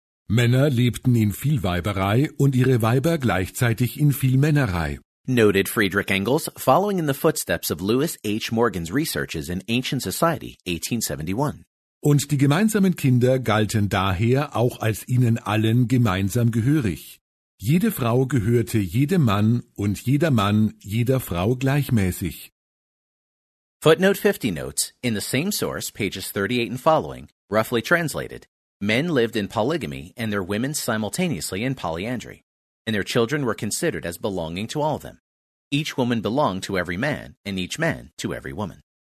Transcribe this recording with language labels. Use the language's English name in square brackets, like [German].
[German] Männer lebten in viel Weiberei und ihre Weiber gleichzeitig in viel Männerei. [English] Noted Friedrich Engels, following in the footsteps of Lewis H. Morgan's researches in Ancient Society, 1871. [German] Und die gemeinsamen Kinder galten daher auch als ihnen allen gemeinsam gehörig. Jede Frau gehörte jedem Mann und jeder Mann jeder Frau gleichmäßig. [English] Footnote 50 notes, in the same source, pages 38 and following, roughly translated, men lived in polygamy and their women simultaneously in polyandry, and their children were considered as belonging to all of them. Each woman belonged to every man, and each man to every woman.